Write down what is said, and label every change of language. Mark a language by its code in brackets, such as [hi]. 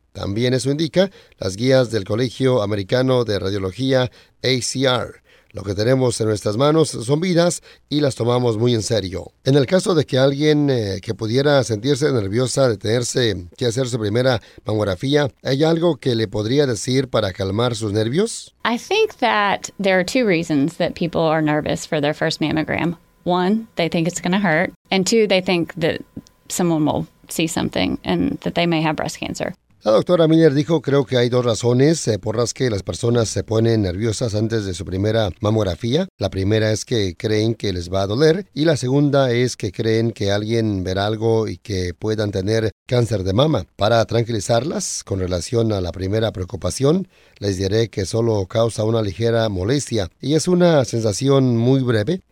[es] También eso indica las guías del Colegio Americano de Radiología, ACR. Lo que tenemos en nuestras manos son vidas y las tomamos muy en serio. En el caso de que alguien que pudiera sentirse nerviosa de tenerse que hacer su primera mamografía, ¿hay algo que le podría decir para calmar sus nervios? [en] I think that there are two reasons that people are nervous for their first mammogram. One, they think it's going to hurt. And two, they think that someone will see something and that they may have breast cancer. [es] La doctora Miller dijo, creo que hay dos razones por las que las personas se ponen nerviosas antes de su primera mamografía. La primera es que creen que les va a doler y la segunda es que creen que alguien verá algo y que puedan tener cáncer de mama. Para tranquilizarlas con relación a la primera preocupación, les diré que solo causa una ligera molestia y es una sensación muy breve.